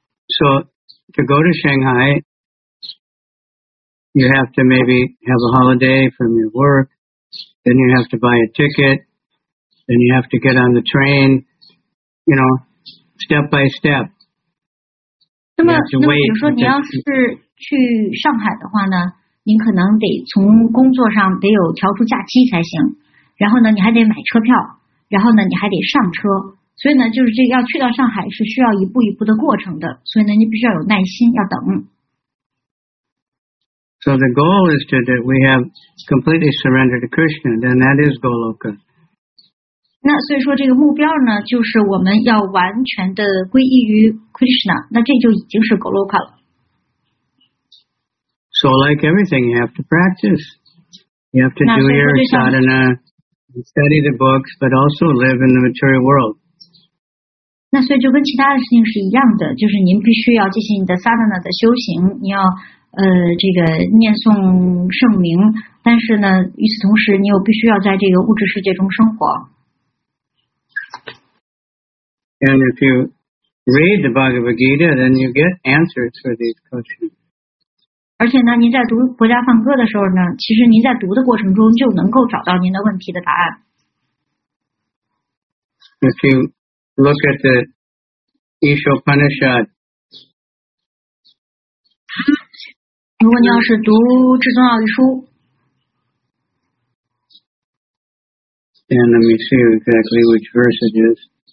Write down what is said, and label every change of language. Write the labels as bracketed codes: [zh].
[en] So, to go to Shanghai, you have to maybe have a holiday from your work, then you have to buy a ticket, then you have to get on the train, you know, step by step. [zh] 那么比如说你要是去上海的话呢，你可能得从工作上得有调出假期才行，然后呢，你还得买车票。然后呢，你还得上车，所以呢，就是这要去到上海是需要一步一步的过程的，所以呢，你必须要有耐心，要等。 [en] So the goal is to that we have completely surrendered to Krishna, then that is Goloka. [zh] 那所以说这个目标呢，就是我们要完全的皈依于 Krishna, 那这就已经是 Goloka 了。 [en] So like everything, you have to practice. You have to do your sadhana. Study the books, but also live in the material world. [zh] 那所以就跟其他的事情是一样的，就是您必须要进行你的 sadhana 的修行，你要这个念诵圣名，但是呢，与此同时，你又必须要在这个物质世界中生活。 [en] And if you read the Bhagavad Gita, then you get answers for these questions. [zh] 而且呢，您在读《国家梵歌》的时候呢，其实您在读的过程中就能够找到您的问题的答案。 [en] If you look at the Ishopanishad, [zh] 如果你要是读《至尊奥义书》 [en] ，And let me see exactly which verse it is.